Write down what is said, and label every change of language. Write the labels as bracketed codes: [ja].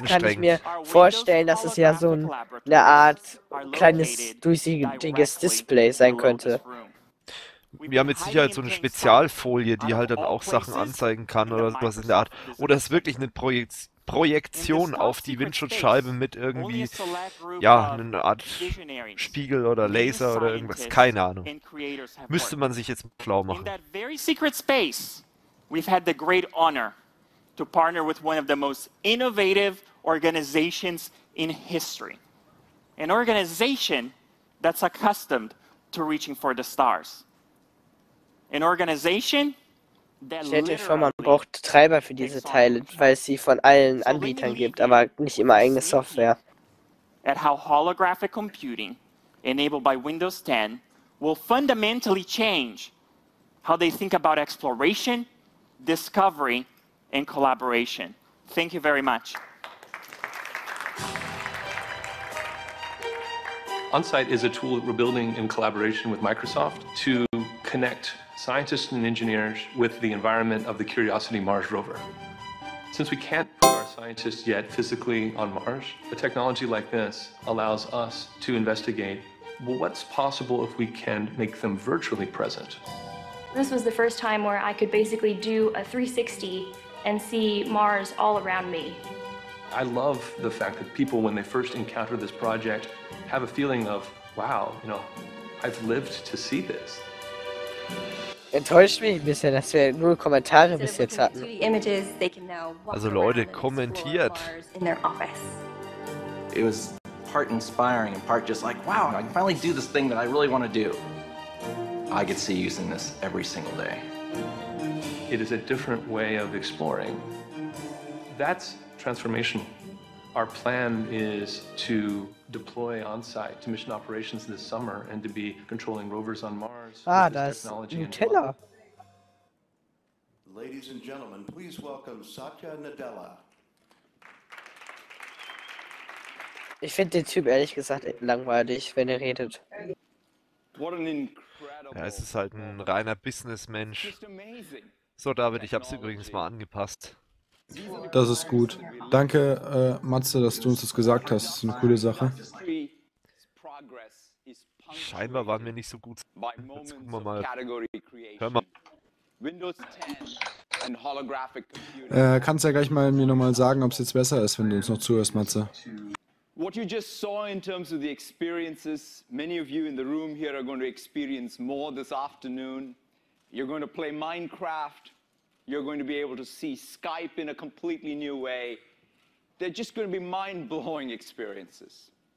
[de] kann ich mir vorstellen, dass es ja so eine Art kleines durchsichtiges Display sein könnte. Wir haben mit Sicherheit so eine Spezialfolie, die halt dann auch Sachen anzeigen kann oder sowas in der Art. Oder es ist wirklich eine Projektion auf die Windschutzscheibe mit irgendwie, ja, eine Art Spiegel oder Laser oder irgendwas. Keine Ahnung. Müsste man sich jetzt schlau machen. [en] In that very secret space, we've had the great honor to partner with one of the most innovative organizations in history. An organization that's accustomed to reaching for the stars. An organization that [de] stellt euch vor, man braucht Treiber für diese Teile, weil es sie von allen Anbietern gibt, aber nicht immer eigene Software. [en] At how holographic computing enabled by Windows 10 will fundamentally change how they think about exploration, discovery and collaboration. Thank you very much. OnSite is a tool that we're building in collaboration with Microsoft to connect scientists and engineers with the environment of the Curiosity Mars rover. Since we can't put our scientists yet physically on Mars, a technology like this allows us to investigate, well, what's possible if we can make them virtually present. This was the first time where I could basically do a 360 and see Mars all around me. I love the fact that people, when they first encounter this project, have a feeling of, wow, you know, I've lived to see this. [de] Enttäuscht mich ein bisschen, dass wir nur Kommentare bis jetzt hatten. Also Leute, kommentiert. [en] It was part inspiring and part just like, wow, I can finally do this thing that I really want to do. I could see using this every single day. It is a different way of exploring. That's transformational. Our plan is to deploy on-site to mission operations this summer and to be controlling rovers on Mars. Ah, that's Nutella. Ladies and gentlemen, please welcome Satya Nadella. [de] Ich finde den Typ ehrlich gesagt langweilig, wenn er redet. [en] What an incredible. [de] Ja, es ist halt ein reiner Businessmensch. So, David, ich habe es übrigens mal angepasst. Das ist gut. Danke, Matze, dass du uns das gesagt hast. Das ist eine coole Sache. [en] progress is punctuated. [de] Scheinbar waren wir nicht so gut. Jetzt gucken wir mal. Hör mal. Windows 10 [en] and holographic computer. [de] Kannst ja gleich mal mir nochmal sagen, ob es jetzt besser ist, wenn du uns noch zuhörst, Matze. [en] What you just saw in terms of the experiences, many of you in the room here are going to experience more this afternoon. You're going to play Minecraft. You're going to be able to see Skype in a completely new way. They're just going to be mind-blowing experiences.